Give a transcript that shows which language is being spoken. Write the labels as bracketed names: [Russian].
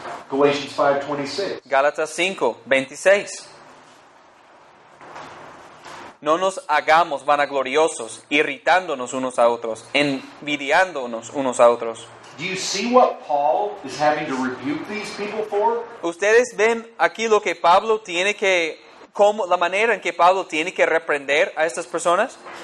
[English] Galatians 5:26. [Spanish] Gálatas 5:26. No nos hagamos vanagloriosos, irritándonos unos a otros, envidiándonos unos a otros. [English] Do you see what Paul is having to rebuke these people for? [Spanish] ¿Ustedes ven aquí lo que Pablo tiene que, como la manera en que Pablo tiene que reprender a estas personas?